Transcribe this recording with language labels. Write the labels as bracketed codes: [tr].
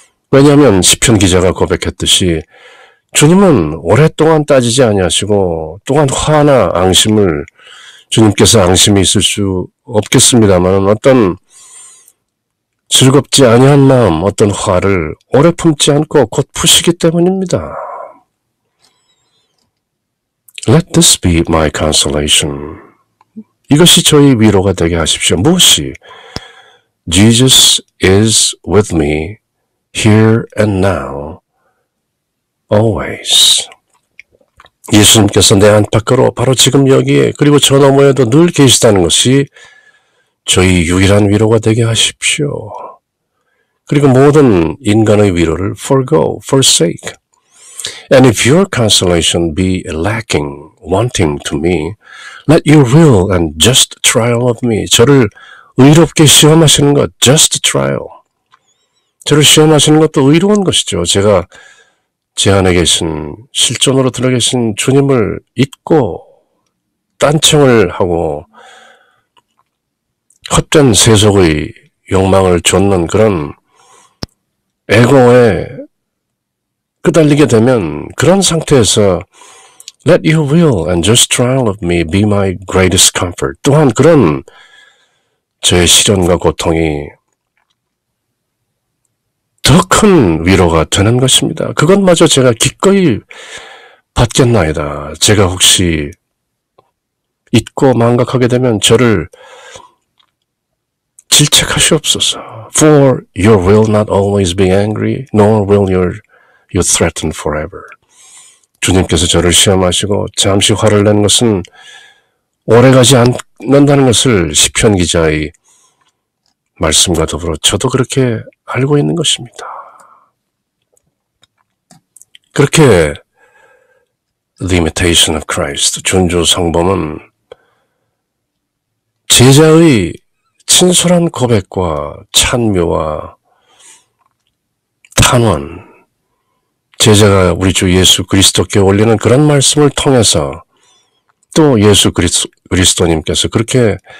[ko] 왜냐하면 시편 기자가 고백했듯이 주님은 오랫동안 따지지 아니하시고 또한 화나 앙심을 주님께서 앙심이 있을 수 없겠습니다만 어떤 즐겁지 아니한 마음, 어떤 화를 오래 품지 않고 곧 푸시기 때문입니다. [en] Let this be my consolation. [ko] 이것이 저희 위로가 되게 하십시오. 무엇이? [en] Jesus is with me here and now, always. [ko] 예수님께서 내 안팎으로 바로 지금 여기에 그리고 저 너머에도 늘 계시다는 것이 저희 유일한 위로가 되게 하십시오. 그리고 모든 인간의 위로를 [en] forgo, forsake. And if your consolation be lacking, wanting to me, let your will and just trial of me. [ko] 저를 의롭게 시험하시는 것, [en] just trial. [ko] 저를 시험하시는 것도 의로운 것이죠. 제가 제 안에 계신, 실존으로 들어 계신 주님을 잊고 딴청을 하고 헛된 세속의 욕망을 쫓는 그런 에고에 끄달리게 되면 그런 상태에서 [en] Let your will and just trial of me be my greatest comfort. [ko] 또한 그런 저의 시련과 고통이 더 큰 위로가 되는 것입니다. 그것마저 제가 기꺼이 받겠나이다. 제가 혹시 잊고 망각하게 되면 저를 질책하시옵소서. [en] For your will not always be angry, nor will you threaten forever. [ko] 주님께서 저를 시험하시고 잠시 화를 낸 것은 오래가지 않는다는 것을 시편 기자의 말씀과 더불어 저도 그렇게 알고 있는 것입니다. 그렇게 The Imitation of Christ, 준조 성범은 제자의 친솔한 고백과 찬미와 탄원, 제자가 우리 주 예수 그리스도께 올리는 그런 말씀을 통해서 또 예수 그리스도님께서 그렇게